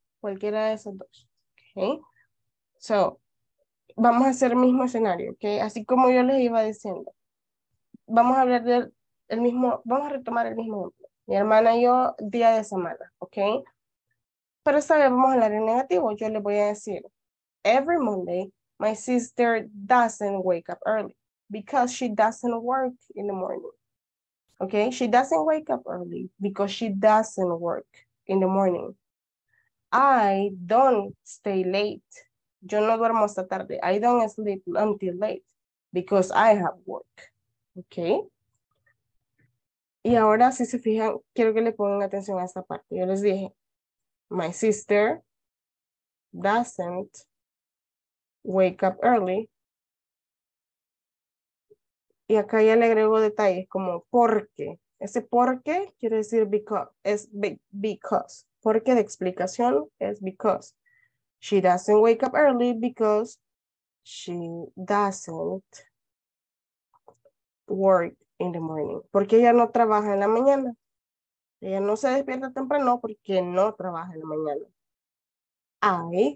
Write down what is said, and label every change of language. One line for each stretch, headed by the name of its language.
Spanish: Cualquiera de esos dos. Okay. So, vamos a hacer el mismo escenario, okay? Así como yo les iba diciendo. Vamos a hablar del mismo, vamos a retomar el mismo ejemplo. Mi hermana y yo, día de semana, okay? Pero esta vez vamos a hablar en negativo. Yo les voy a decir,
English: every Monday, my sister doesn't wake up early because she doesn't work in the morning. Okay? She doesn't wake up early because she doesn't work in the morning. I don't stay late.
Spanish: Yo no duermo hasta tarde.
English: I don't sleep until late. because I have work. Okay.
Spanish: Y ahora, si se fijan, quiero que le pongan atención a esta parte. Yo les dije,
English: my sister doesn't wake up early.
Spanish: Y acá ya le agrego detalles como porque. Ese porque quiere decir because. Es because. Porque de explicación es because.
English: She doesn't wake up early because she doesn't work in the morning.
Spanish: Porque ella no trabaja en la mañana. Ella no se despierta temprano porque no trabaja en la mañana.